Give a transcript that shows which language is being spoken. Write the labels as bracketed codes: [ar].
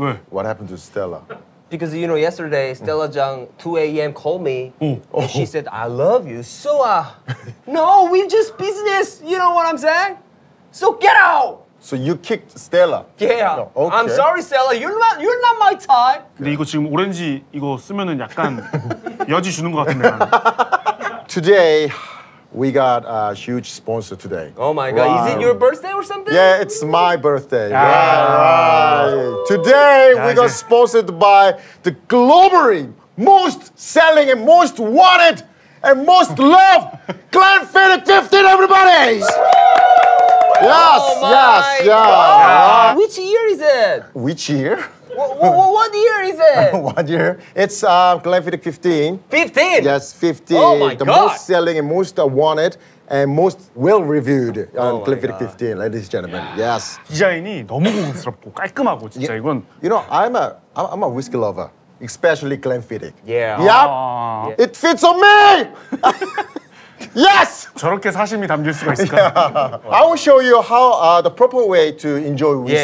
[en] What happened to Stella? Because, you know, yesterday, Stella Zhang, 2 a.m. called me, and she said, I love you, so, no, we just business, you know what I'm saying? So get out! So you kicked Stella? Yeah. No, okay. I'm sorry, Stella, you're not my type. [ko] 근데 이거 지금 오렌지 이거 쓰면은 약간 여지 주는 것 같은데. [en] Today, we got a huge sponsor today. Oh my God, wow. Is it your birthday or something? Yeah, it's my birthday. Yeah. Right. Today, yeah, we got sponsored by the globally most selling and most wanted and most loved Glenfiddich 15, everybody! Yes, oh my yes, yes. God. Yeah. Which year is it? Which year? What year is it? What year? It's Glenfiddich 15. 15? Yes, 15. Oh my the God. Most selling and most wanted and most well-reviewed on Glenfiddich 15, ladies and gentlemen. Yeah. Yes. [ko] 디자인이 너무 고급스럽고 깔끔하고 진짜 yeah. 이건. [en] You know, I'm a whiskey lover, especially Glenfiddich. Yeah. Yep. Yeah. It fits on me! Yes! [ko] 저렇게 사심이 담길 수가 있을까? [en] I will show you how the proper way to enjoy whiskey.